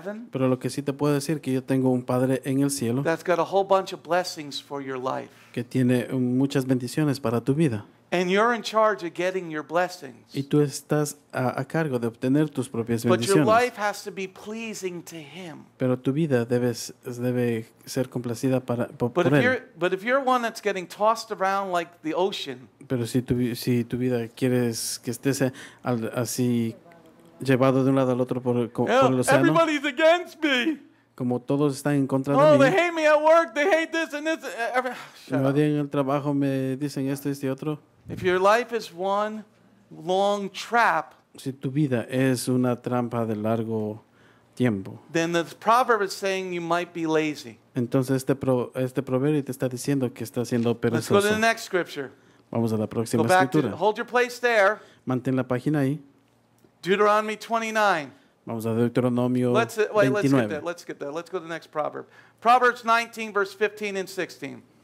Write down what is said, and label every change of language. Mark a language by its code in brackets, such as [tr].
[es] Pero lo que sí te puedo decir es que yo tengo un Padre en el cielo que tiene muchas bendiciones para tu vida. [en] And you're in charge of getting your blessings. [es] Y tú estás a cargo de obtener tus propias bendiciones. [en] But your life has to be pleasing to him. [es] Pero tu vida debe ser complacida para [en] But if you're one that's getting tossed around like the ocean. [es] Pero si tu vida quieres que estés así llevado de un lado al otro por el océano. [en] Everybody's against me. [es] Como todos están en contra de mí. [en] They hate me at work. They hate this and this. Shut up. [es] En el trabajo me dicen esto y otro. [en] If your life is one long trap, [es] si tu vida es una trampa de largo tiempo, [en] then the proverb is saying you might be lazy. [es] Entonces este proverbio te está diciendo que estás siendo perezoso. [en] Let's go to the next scripture. [es] Vamos a la próxima escritura. [en] Hold your place there. [es] Mantén la página ahí. [en] Deuteronomy 29. [es] Vamos a Deuteronomio [en] 29. Let's get that. Let's go to the next proverb. Proverbs 19, verse 15 and 16.